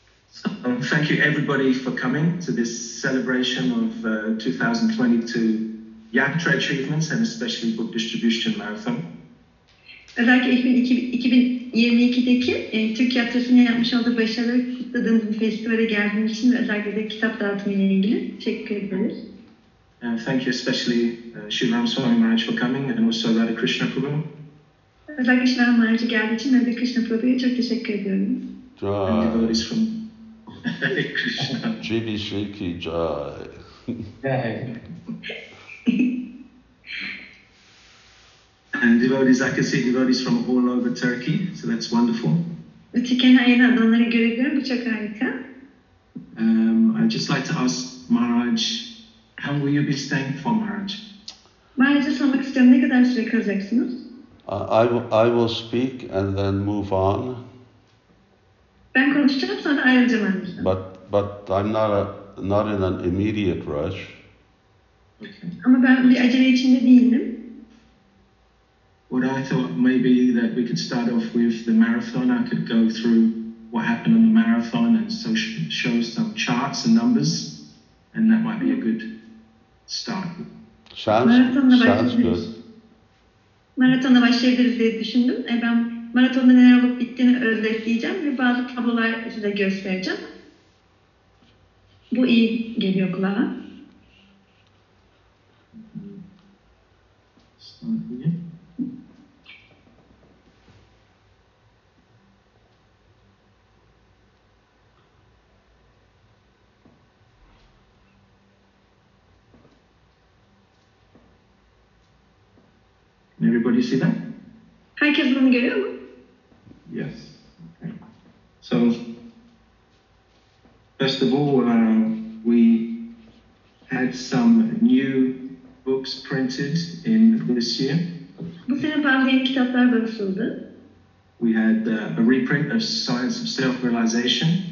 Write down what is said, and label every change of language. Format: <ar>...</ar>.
<en>So, thank you everybody for coming to this celebration of 2022 Yatra achievements and especially book distribution marathon.</en> <tr>Özellikle 2022'deki Türk Yatrası'nın yapmış olduğu başarıları kutladığımız bir festivale geldiğim için özellikle de kitap dağıtımı ile ilgili teşekkür ederiz.</tr> <en>Thank you especially Shivram Swami Maharaj for coming and also Radha Krishna Prabhu.</en> <tr>Özellikle Shivram Maharaj'a geldiği için Radha Krishna Prabhu'ya çok teşekkür ediyorum.</tr> <en>Jai. From Krishna. Jibi Shriki Jai. Jai. And devotees, I can see devotees from all over Turkey, so that's wonderful. I'd just like to ask Maharaj, how will you be staying for Maharaj? I will speak and then move on. But I'm not in an immediate rush. Okay. What I thought maybe that we could start off with the marathon. I could go through what happened on the marathon and so show some charts and numbers, and that might be a good start. Sounds good.</en> <tr>Maratonla başlayabiliriz diye düşündüm. Ben maratonda neler olup bittiğini özetleyeceğim ve bazı tablolar size göstereceğim. Bu iyi geliyor kulağa.</tr> <en>Everybody see that?</en> <tr>Herkes bunu görüyor mu?</tr> <en>Yes. Okay. So, first of all, we had some new books printed in this year.</en> <tr>Bu sene bazı yeni kitaplar basıldı.</tr> <en>We had a reprint of Science of Self-Realization.</en>